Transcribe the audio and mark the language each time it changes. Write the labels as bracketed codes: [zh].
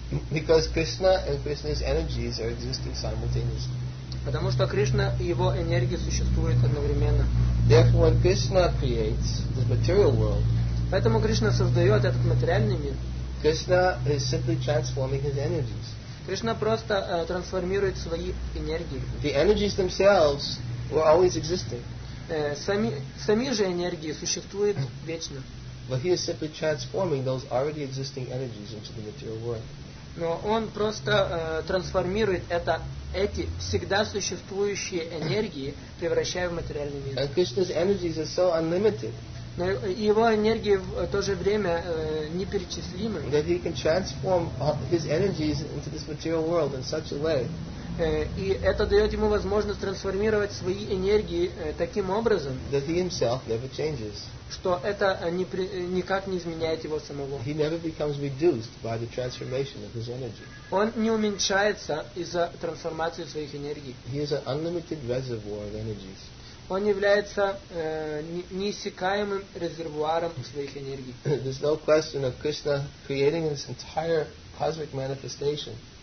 [en] Because Krishna and Krishna's energies are existing simultaneously. [ru] Потому что Кришна и его энергия существуют одновременно. [en] Therefore, when Krishna creates the material world, [ru] поэтому Кришна создает этот материальный мир. [en] Krishna is simply transforming his energies. [ru] Кришна просто трансформирует свои энергии. [en] The energies themselves were always existing. [ru] Сами же энергии существуют вечно. [en] But he is simply transforming those already existing energies into the material world. [ru] Но он просто трансформирует это. Эти всегда существующие энергии превращают в материальный мир. [en] And Krishna's energies are so unlimited. [ru] Но его энергии в то же время неперечислимы. [en] That he can transform his energies into this material world in such a way. [ru] И это дает ему возможность трансформировать свои энергии таким образом. [en] That he himself never changes. [ru] Что это никак не изменяет его самого. [en] He never becomes reduced by the transformation of his energy. [ru] Он не уменьшается из-за трансформации своих энергий. [en] He is an unlimited reservoir of energies. [ru] Он является неиссякаемым резервуаром своих энергий. [en] There's no question of Krishna creating this entire cosmic manifestation.